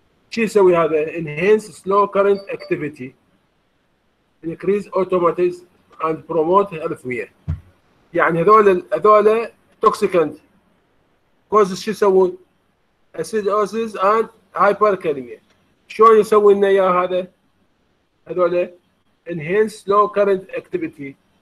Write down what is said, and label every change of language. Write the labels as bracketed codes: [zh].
[ar] شو يسوي هذا؟ [en] Enhance slow current activity. Increase automatism and promote arrhythmia. [ar] يعني هذول toxicant. [en] Causes [ar] شو يسوون؟ [en] Acidosis and hyperkalemia. [ar] شو يسوي لنا اياه هذا؟ هذول [en] Enhance slow current activity.